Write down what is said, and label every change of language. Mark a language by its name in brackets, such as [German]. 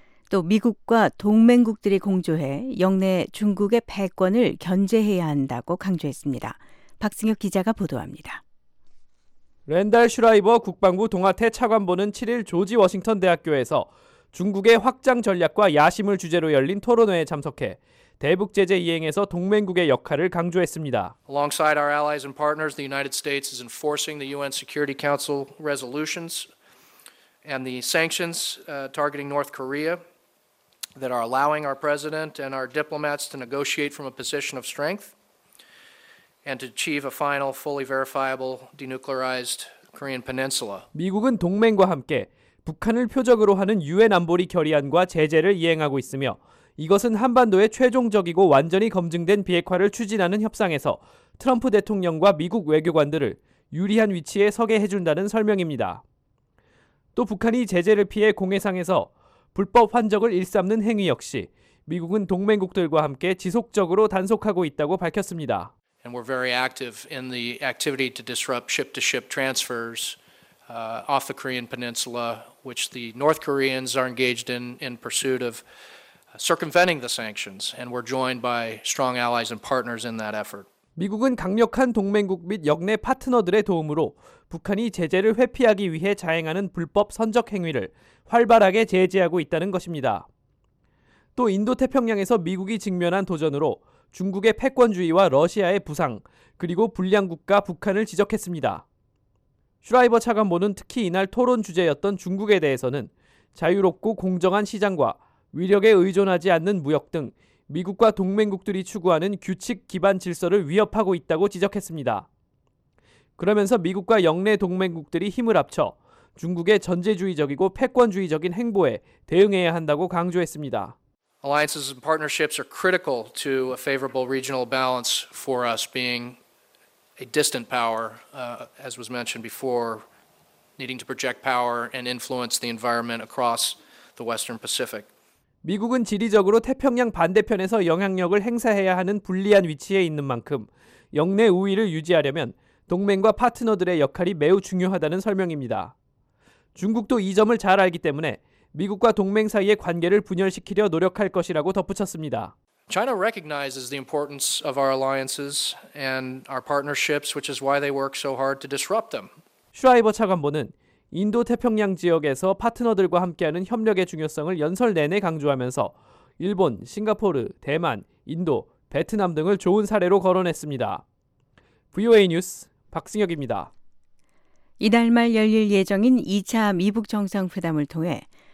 [Korean] 또 미국과 동맹국들이 공조해 역내 중국의 패권을 견제해야 한다고 강조했습니다. 박승혁 기자가 보도합니다. 랜달 슈라이버 국방부 동아태 차관보는 7일 조지 워싱턴 대학교에서 중국의 확장 전략과 야심을 주제로 열린 토론회에 참석해 대북 제재 이행에서 동맹국의 역할을 강조했습니다. [English] Alongside our allies and partners, the United States is enforcing the UN Security Council resolutions and the sanctions targeting North Korea. That are allowing our president and our diplomats to negotiate from a position of strength and to achieve a final, fully verifiable, denuclearized Korean peninsula. [Korean] 미국은 동맹과 함께 북한을 표적으로 하는 유엔 안보리 결의안과 제재를 이행하고 있으며 이것은 한반도의 최종적이고 완전히 검증된 비핵화를 추진하는 협상에서 트럼프 대통령과 미국 외교관들을 유리한 위치에 서게 해준다는 설명입니다. 또 북한이 제재를 피해 공해상에서 불법 환적을 일삼는 행위 역시 미국은 동맹국들과 함께 지속적으로 단속하고 있다고 밝혔습니다. [English] And we're very active in the activity to disrupt ship-to-ship transfers off the Korean Peninsula, which the North Koreans are engaged in pursuit of circumventing the sanctions. And we're joined by strong allies and partners in that effort. [Korean] 미국은 강력한 동맹국 및 역내 파트너들의 도움으로 북한이 제재를 회피하기 위해 자행하는 불법 선적 행위를 활발하게 제재하고 있다는 것입니다. 또 인도태평양에서 미국이 직면한 도전으로 중국의 패권주의와 러시아의 부상, 그리고 불량국가 북한을 지적했습니다. 슈라이버 차관보는 특히 이날 토론 주제였던 중국에 대해서는 자유롭고 공정한 시장과 위력에 의존하지 않는 무역 등 미국과 동맹국들이 추구하는 규칙 기반 질서를 위협하고 있다고 지적했습니다. 그러면서 미국과 역내 동맹국들이 힘을 합쳐 중국의 전제주의적이고 패권주의적인 행보에 대응해야 한다고 강조했습니다. [English] Alliances and partnerships are critical to a favorable regional balance for us being a distant power, as was mentioned before, needing to project power and influence the environment across the Western Pacific. [Korean] 미국은 지리적으로 태평양 반대편에서 영향력을 행사해야 하는 불리한 위치에 있는 만큼 역내 우위를 유지하려면 동맹과 파트너들의 역할이 매우 중요하다는 설명입니다. 중국도 이 점을 잘 알기 때문에 미국과 동맹 사이의 관계를 분열시키려 노력할 것이라고 덧붙였습니다. [English] China recognizes the importance of our alliances and our partnerships, which is why they work so hard to disrupt them. [Korean] 슈라이버 차관보는 인도 태평양 지역에서 파트너들과 함께하는 협력의 중요성을 연설 내내 강조하면서 일본, 싱가포르, 대만, 인도, 베트남 등을 좋은 사례로 거론했습니다. VOA 뉴스 박승혁입니다. 이달 말 열릴 예정인 2차 미북 정상회담을 통해